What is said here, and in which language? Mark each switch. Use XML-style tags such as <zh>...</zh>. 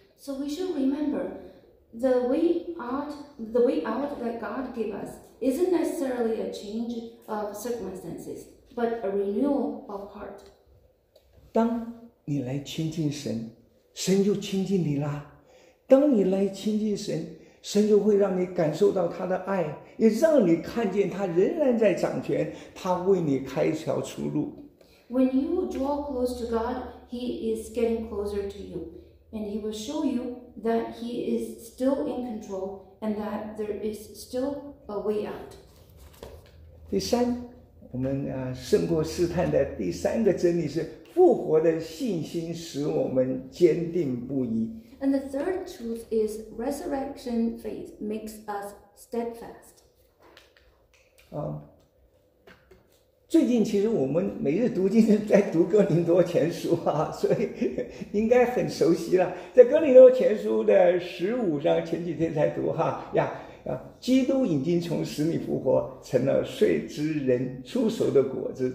<en>So we should remember. The way out that God gave us isn't necessarily a change of circumstances, but a renewal of heart.</en> <zh>当你来亲近神，神就亲近你啦。当你来亲近神，神就会让你感受到他的爱，也让你看见他仍然在掌权，他为你开一条出路。</zh> <en>When you draw close to God, He is getting closer to you, and He will show you. That he is still in control and that there is still a way out.</en> <zh>第三，我们胜过试探的第三个真理是复活的信心使我们坚定不移。</zh> <en>And the third truth is resurrection faith makes us steadfast.</en> <zh>最近其实我们每日读经在读哥林多前书啊，所以应该很熟悉了。在哥林多前书的15章，前几天才读哈呀啊，基督已经从死里复活，成了睡之人出熟的果子。</zh>